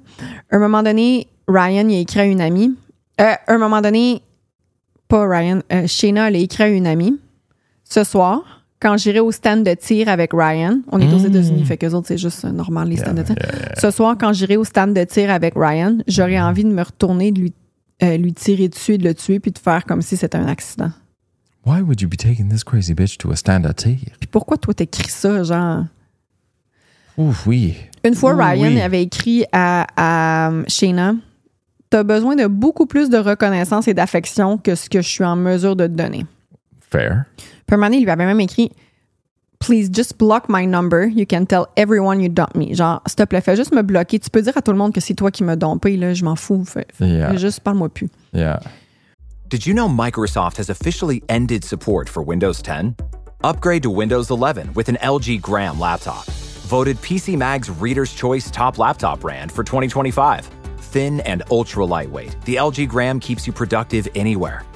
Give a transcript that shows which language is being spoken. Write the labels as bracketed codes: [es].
[fr] À un moment donné, Ryan y a écrit à une amie. Shayna l'a écrit à une amie. Ce soir, quand j'irai au stand de tir avec Ryan, on est aux États-Unis, fait qu'eux autres, c'est juste normal les stands de tir. Ce soir, quand j'irai au stand de tir avec Ryan, j'aurai envie de me retourner, de lui tirer dessus et de le tuer, puis de faire comme si c'était un accident. [en] Why would you be taking this crazy bitch to a stand of tear? [fr] Puis pourquoi toi t'écris ça, genre? Ouf, oui. Une fois, Ryan avait écrit à Shayna, t'as besoin de beaucoup plus de reconnaissance et d'affection que ce que je suis en mesure de te donner. [en] Fair. [fr] Puis un moment, il lui avait même écrit, [en] please just block my number, you can tell everyone you dump me. [fr] Genre, s'il te plaît, fais juste me bloquer. Tu peux dire à tout le monde que c'est toi qui me dompé, là, je m'en fous. Juste parle-moi plus. [en] Yeah. Did you know Microsoft has officially ended support for Windows 10? Upgrade to Windows 11 with an LG Gram laptop. Voted PC Mag's Reader's Choice Top Laptop Brand for 2025. Thin and ultra lightweight, the LG Gram keeps you productive anywhere.